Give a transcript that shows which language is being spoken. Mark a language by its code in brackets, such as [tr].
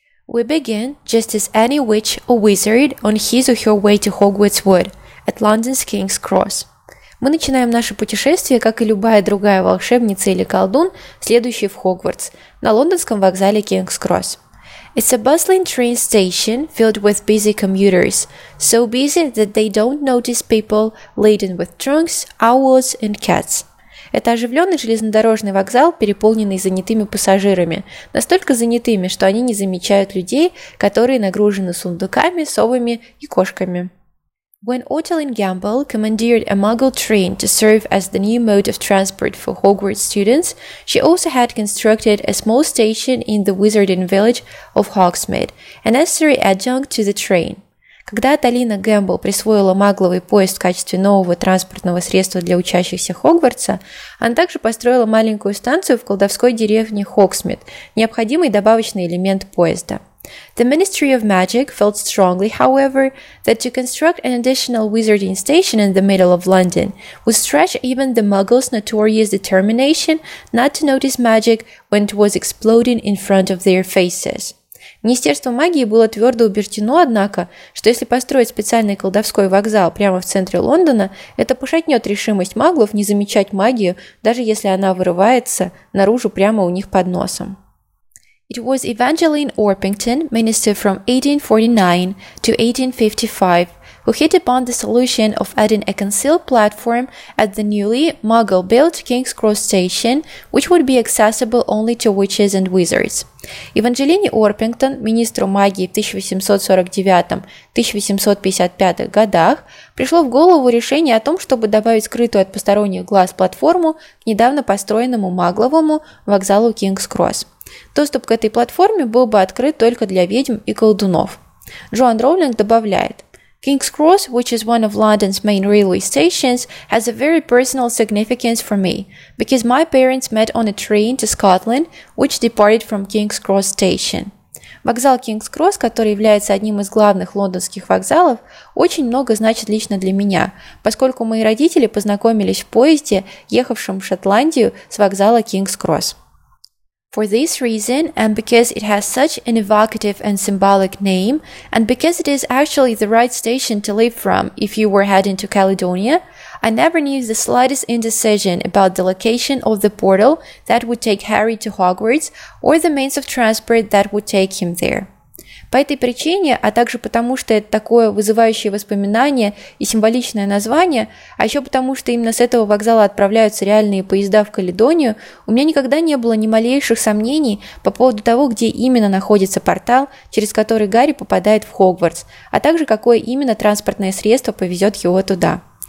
[en] We begin just as any witch or wizard on his or her way to Hogwarts Wood at London's King's Cross. [ru] Мы начинаем наше путешествие, как и любая другая волшебница или колдун, следующий в Хогвартс, на лондонском вокзале King's Cross. [en] It's a bustling train station filled with busy commuters, so busy that they don't notice people laden with trunks, owls and cats. [ru] Это оживленный железнодорожный вокзал, переполненный занятыми пассажирами, настолько занятыми, что они не замечают людей, которые нагружены сундуками, совами и кошками. [en] When Otoline Gamble commandeered a Muggle train to serve as the new mode of transport for Hogwarts students, she also had constructed a small station in the wizarding village of Hogsmeade, a necessary adjunct to the train. [ru] Когда Аталина Гэмбл присвоила магловый поезд в качестве нового транспортного средства для учащихся Хогвартса, она также построила маленькую станцию в колдовской деревне Хогсмид, необходимый добавочный элемент поезда. [en] The Ministry of Magic felt strongly, however, that to construct an additional wizarding station in the middle of London would stretch even the Muggles' notorious determination not to notice magic when it was exploding in front of their faces. [ru] Министерство магии было твердо убеждено, однако, что если построить специальный колдовской вокзал прямо в центре Лондона, это пошатнет решимость маглов не замечать магию, даже если она вырывается наружу прямо у них под носом. [en] It was Evangeline Orpington, minister from 1849 to 1855, who hit upon the solution of adding a concealed platform at the newly muggle-built King's Cross station, which would be accessible only to witches and wizards. [ru] Евангелине Орпингтон, министру магии в 1849-1855 годах, пришло в голову решение о том, чтобы добавить скрытую от посторонних глаз платформу к недавно построенному магловому вокзалу King's Cross. Доступ к этой платформе был бы открыт только для ведьм и колдунов. Джоан Роулинг добавляет: [en] King's Cross, which is one of London's main railway stations, has a very personal significance for me, because my parents met on a train to Scotland, which departed from King's Cross station. [ru] Вокзал King's Cross, который является одним из главных лондонских вокзалов, очень много значит лично для меня, поскольку мои родители познакомились в поезде, ехавшем в Шотландию с вокзала King's Cross. [en] For this reason, and because it has such an evocative and symbolic name, and because it is actually the right station to leave from if you were heading to Caledonia, I never knew the slightest indecision about the location of the portal that would take Harry to Hogwarts or the means of transport that would take him there. [ru] По этой причине, а также потому, что это такое вызывающее воспоминание и символичное название, а еще потому, что именно с этого вокзала отправляются реальные поезда в Каледонию, у меня никогда не было ни малейших сомнений по поводу того, где именно находится портал, через который Гарри попадает в Хогвартс, а также какое именно транспортное средство повезет его туда.